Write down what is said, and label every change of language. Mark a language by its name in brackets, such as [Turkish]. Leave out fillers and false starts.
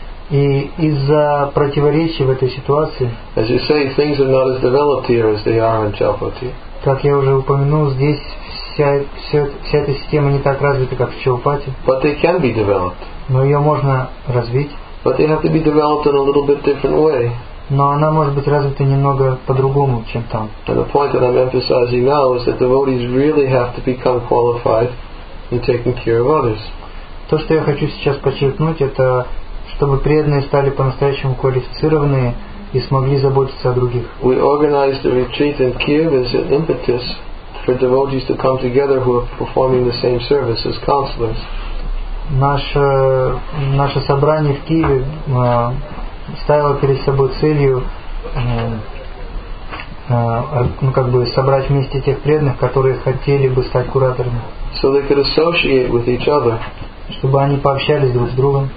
[Russian] И из-за противоречий в этой ситуации. [English] As you say, things are not as developed here as they are in Chalpati. [Russian] Как я уже упомянул, здесь вся эта система не так развита, как в Чалпати. [English] But they can be developed. [Russian] Но ее можно развить. [English] But they have to be developed in a little bit different way. [Russian] Но она может быть развита немного по-другому, чем там. [English] And the point that I'm emphasizing now is that devotees really have to become qualified in taking care of others. [Russian] То, что я хочу сейчас подчеркнуть, это чтобы преданные стали по-настоящему квалифицированные и смогли заботиться о других. [English] We organized the retreat in Kiev as an impetus for devotees to come together who are performing the same service as counselors. [Russian] Наше собрание в Киеве ставило перед собой целью собрать вместе тех преданных, которые хотели бы стать кураторами. [English] So they could associate with each other. [Russian] Чтобы они пообщались друг с другом.